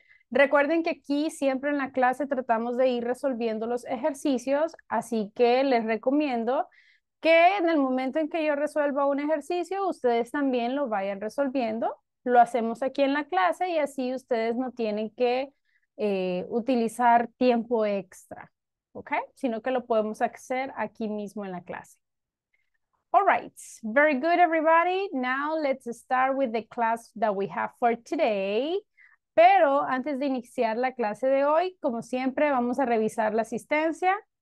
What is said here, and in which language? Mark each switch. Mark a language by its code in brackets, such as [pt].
[es] Recuerden que aquí siempre en la clase tratamos de ir resolviendo los ejercicios, así que les recomiendo que en el momento en que yo resuelva un ejercicio, ustedes también lo vayan resolviendo. Lo hacemos aquí en la clase y así ustedes no tienen que utilizar tiempo extra, ¿ok? Sino que lo podemos hacer aquí mismo en la clase. [en] All right, very good everybody. Now let's start with the class that we have for today. [es] Pero antes de iniciar la clase de hoy, como siempre, vamos a revisar la asistencia.